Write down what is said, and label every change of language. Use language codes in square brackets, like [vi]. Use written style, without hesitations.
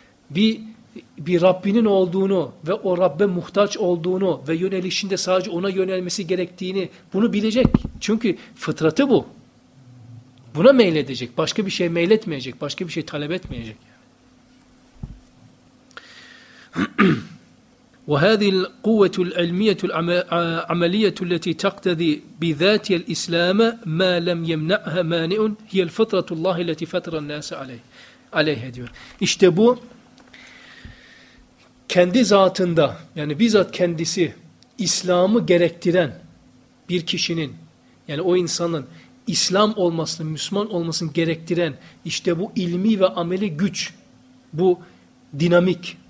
[tr] Bir Rabbinin olduğunu ve o Rabbe muhtaç olduğunu ve yönelişinde sadece ona yönelmesi gerektiğini bunu bilecek. Çünkü fıtratı bu. Buna meyledecek. Başka bir şeye meyletmeyecek. Başka bir şey talep etmeyecek. [ar] وهذه القوة العلمية العملية التي تقتضي بذاتها الإسلام ما لم يمنعها مانع هي الفطرة الله التي فطر الناس عليه [tr] diyor. İşte bu kendi zatında yani bizzat kendisi İslam'ı gerektiren bir kişinin yani o insanın İslam olmasını, Müslüman olmasını gerektiren işte bu ilmi ve ameli güç, bu dinamik.